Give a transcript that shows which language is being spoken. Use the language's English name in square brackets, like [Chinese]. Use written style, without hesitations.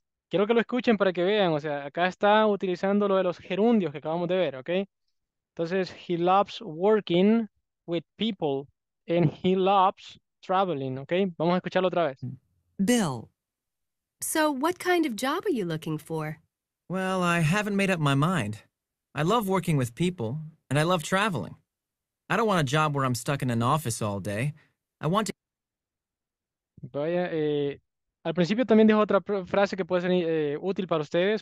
[Spanish] Quiero que lo escuchen para que vean, o sea, acá está utilizando lo de los gerundios que acabamos de ver, okay? [English] Entonces, he loves working with people, and he loves traveling, okay? [Spanish] Vamos a escucharlo otra vez. [English] Bill. So, what kind of job are you looking for? Well, I haven't made up my mind. I love working with people, and I love traveling. I don't want a job where I'm stuck in an office all day. I want to... [Spanish] Vaya, al principio también dijo otra frase que puede ser útil para ustedes.